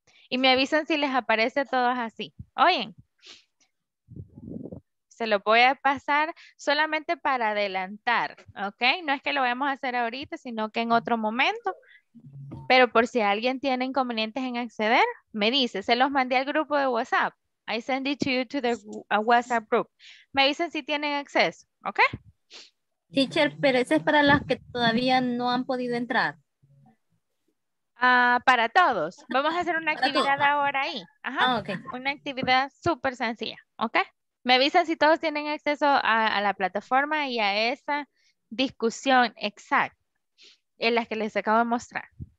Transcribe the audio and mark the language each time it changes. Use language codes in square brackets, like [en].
[es] Y me avisan si les aparece todos así, oyen. Se lo voy a pasar solamente para adelantar, ¿ok? No es que lo vayamos a hacer ahorita, sino que en otro momento. Pero por si alguien tiene inconvenientes en acceder, me dice. Se los mandé al grupo de WhatsApp. [en] I send it to you to the WhatsApp group. [es] Me dicen si tienen acceso, ¿ok? Teacher, pero ese es para las que todavía no han podido entrar. Para todos. Vamos a hacer una actividad ahora ahí. Ajá. Oh, okay. Una actividad súper sencilla, ¿ok? Me avisan si todos tienen acceso a la plataforma y a esa discusión exacta en la que les acabo de mostrar.